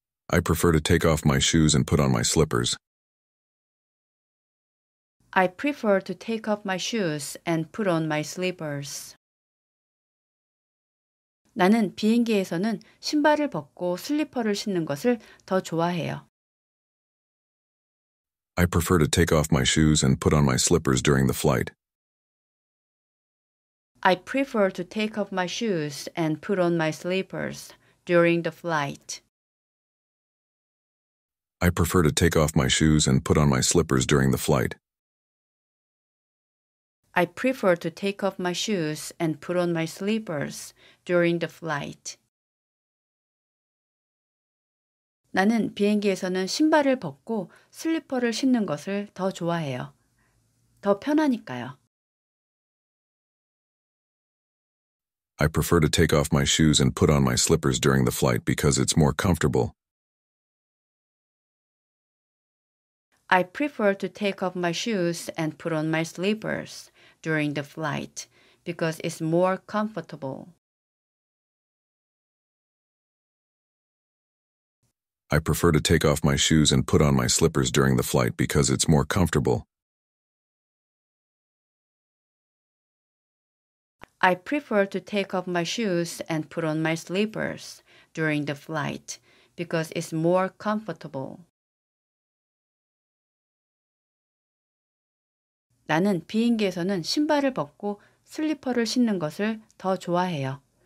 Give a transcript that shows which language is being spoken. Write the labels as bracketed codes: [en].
[en] I prefer to take off my shoes and put on my slippers. I prefer to take off my shoes and put on my slippers. [ko] 나는 비행기에서는 신발을 벗고 슬리퍼를 신는 것을 더 좋아해요. [en] I prefer to take off my shoes and put on my slippers during the flight. I prefer to take off my shoes and put on my slippers during the flight. I prefer to take off my shoes and put on my slippers during the flight. I prefer to take off my shoes and put on my slippers during the flight. [ko] 나는 비행기에서는 신발을 벗고 슬리퍼를 신는 것을 더 좋아해요. 더 편하니까요. [en] I prefer to take off my shoes and put on my slippers during the flight because it's more comfortable. I prefer to take off my shoes and put on my slippers during the flight because it's more comfortable. I prefer to take off my shoes and put on my slippers during the flight because it's more comfortable. I prefer to take off my shoes and put on my slippers during the flight because it's more comfortable. [ko] 나는 비행기에서는 신발을 벗고 슬리퍼를 신는 것을 더 좋아해요.